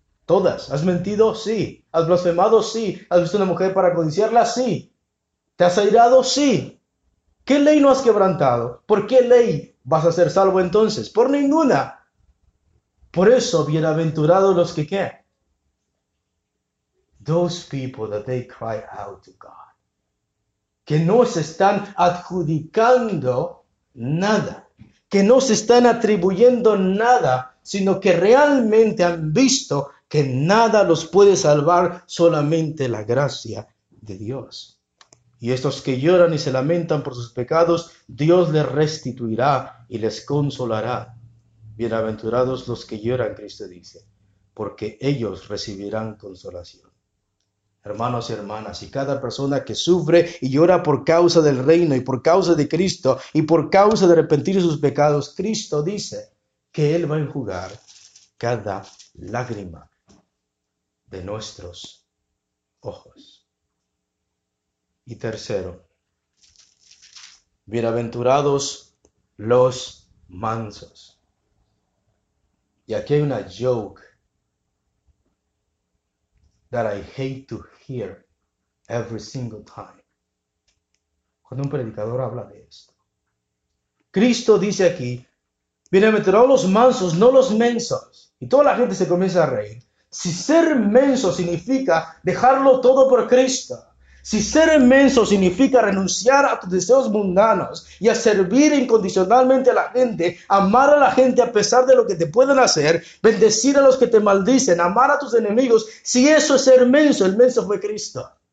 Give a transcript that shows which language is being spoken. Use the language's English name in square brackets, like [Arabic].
[Spanish] Todas. ¿Has mentido? Sí. ¿Has blasfemado? Sí. ¿Has visto una mujer para codiciarla? Sí. ¿Te has airado? Sí. ¿Qué ley no has quebrantado? ¿Por qué ley vas a ser salvo entonces? Por ninguna. Por eso, bienaventurados los que qué. [English] Those people that they cry out to God. [Spanish] Que no se están adjudicando nada. Que no se están atribuyendo nada, sino que realmente han visto que nada los puede salvar, solamente la gracia de Dios. Y estos que lloran y se lamentan por sus pecados, Dios les restituirá y les consolará. Bienaventurados los que lloran, Cristo dice, porque ellos recibirán consolación. Hermanos y hermanas, y cada persona que sufre y llora por causa del reino y por causa de Cristo y por causa de arrepentir sus pecados, Cristo dice que Él va a enjugar cada lágrima de nuestros ojos. Y tercero, bienaventurados los mansos. Y aquí hay una [English] joke that I hate to hear every single time. [Spanish] Cuando un predicador habla de esto. Cristo dice aquí, bienaventurados los mansos, no los mensos. Y toda la gente se comienza a reír. Si ser menso significa dejarlo todo por Cristo. Si ser menso significa renunciar a tus deseos mundanos y a servir incondicionalmente a la gente, amar a la gente a pesar de lo que te puedan hacer, bendecir a los que te maldicen, amar a tus enemigos, si eso es ser menso, el menso fue Cristo.